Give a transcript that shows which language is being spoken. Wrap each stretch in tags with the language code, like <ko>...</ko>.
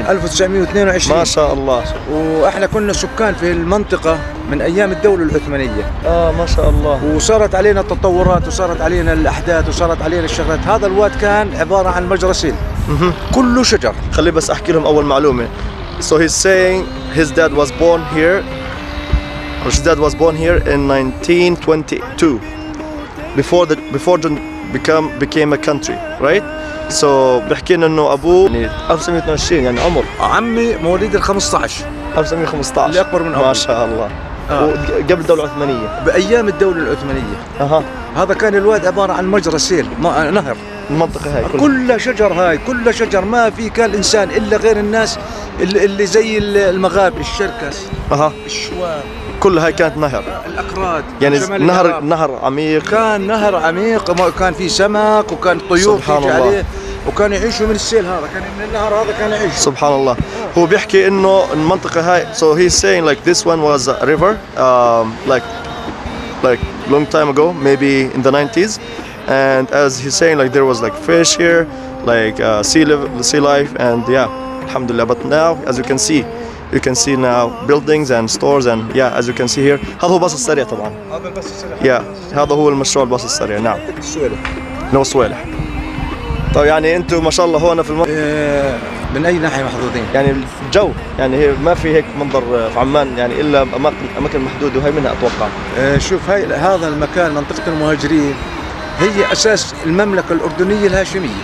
<ar>1922 ما شاء الله. واحنا كنا سكان في المنطقة من ايام الدولة العثمانية. ما شاء الله. وصارت علينا التطورات وصارت علينا الاحداث وصارت علينا الشغلات. هذا الواد كان عبارة عن مجرسين كله شجر. خلي بس احكي لهم اول معلومة.</ar> <en>So he's saying his dad was born here. His dad was born here in 1922 before the before Jordan became a country, right?</en> <ar>So بحكي لنا انه ابوه يعني 1922 يعني عمر عمي مواليد ال 15 اللي اكبر من ما شاء الله. قبل الدوله العثمانيه بايام الدوله العثمانيه. هذا كان الواد عباره عن مجرى سيل نهر المنطقه هاي كلها كل شجر ما في كان انسان الا غير الناس اللي زي المغارب الشركس الشوار كل هاي كانت نهر الأكراد يعني نهر العرب. نهر عميق كان نهر عميق وكان فيه سمك وكان طيور تيجي عليه وكان يعيشوا من السيل هذا كان من النهر هذا كان يعيش سبحان الله. هو بيحكي إنه المنطقة هاي</ar> <en>so he's saying like this one was a river like long time ago maybe in the 90s and as he's saying like there was like fish here like sea life and yeah alhamdulillah but now as you can see now buildings and stores and yeah as you can see here</en> <ar>هذا هو الباص السريع طبعا هذا هو المشروع الباص السريع نعم نو سويلح. طيب يعني انتم ما شاء الله هون في من اي ناحيه محظوظين يعني الجو يعني هي ما في هيك منظر في عمان يعني الا اماكن محدوده وهي منها اتوقع شوف هاي هذا المكان منطقه المهاجرين هي اساس المملكه الاردنيه الهاشميه</ar>